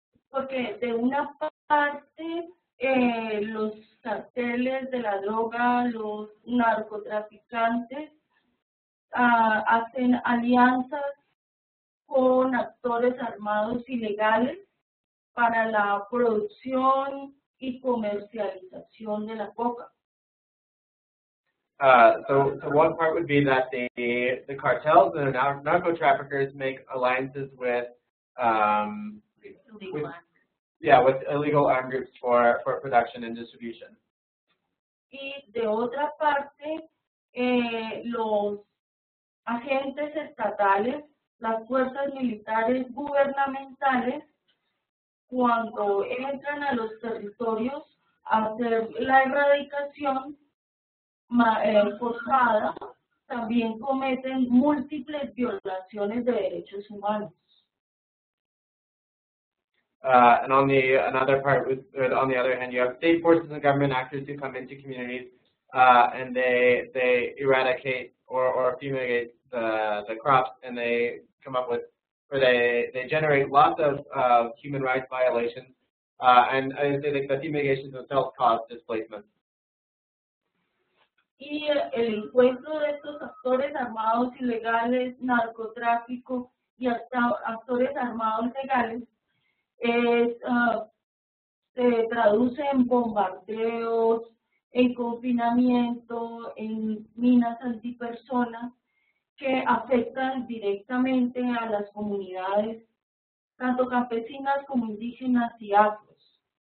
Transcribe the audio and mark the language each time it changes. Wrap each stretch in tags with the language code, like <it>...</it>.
<es>Porque de una parte los carteles de la droga, los narcotraficantes hacen alianzas con actores armados ilegales para la producción y comercialización de la coca.</es> <en>So one part would be that the cartels, the narco traffickers, make alliances with illegal armed groups for production and distribution.</en> <es>Y de otra parte, los agentes estatales, las fuerzas militares gubernamentales, cuando entran a los territorios a hacer la erradicación forzada, también cometen múltiples violaciones de derechos humanos.</es> <en>And on the another part, with, on the other hand, you have state forces and government actors who come into communities and they eradicate or fumigate the crops, and they come up with, or they generate lots of human rights violations. And I would say that the fumigation itself caused displacement.</en> <es>Y el encuentro de estos actores armados ilegales, narcotráfico y hasta actores armados legales es, se traduce en bombardeos, en confinamiento, en minas antipersonas que afectan directamente a las comunidades, tanto campesinas como indígenas y afros.</es>